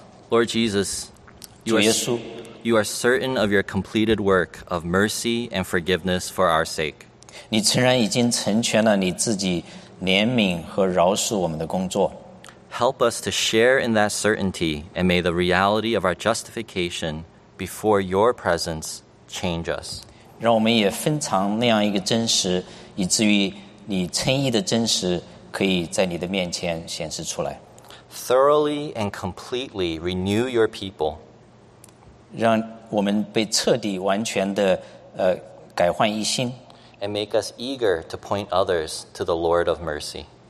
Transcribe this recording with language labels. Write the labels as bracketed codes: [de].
[en] Lord Jesus, you are certain of your completed work of mercy and forgiveness for our sake. [zh] 你诚然已经成全了你自己怜悯和饶恕我们的工作。 [en] Help us to share in that certainty, and may the reality of our justification before your presence change us. [zh] 让我们也分尝那样一个真实，以至于你称义的真实可以在你的面前显示出来。 [en] thoroughly and completely renew your people. [zh] 让我们被彻底完全的改换一新。 [en] And make us eager to point others to the Lord of mercy.